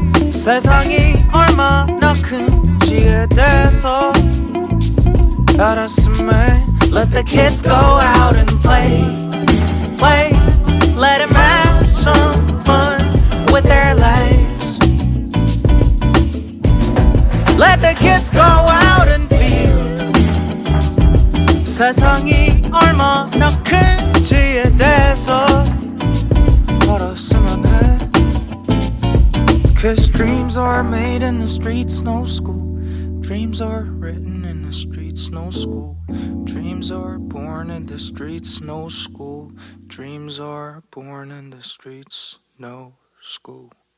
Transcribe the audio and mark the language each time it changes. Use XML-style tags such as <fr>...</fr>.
<ko>세상이 얼마나 큰지에 대해서 알았음에.</ko> <en>Let the kids go out and play. Play. Let them have some fun with their lives. Let the kids go out and feel.</en> <ko>세상이 얼마나 큰지에 대해서 알았으면 해.</ko> <en>'Cause dreams are made in the streets, no school. Dreams are written in the streets, no school. Dreams are born in the streets, no school. Dreams are born in the streets, no school.</en>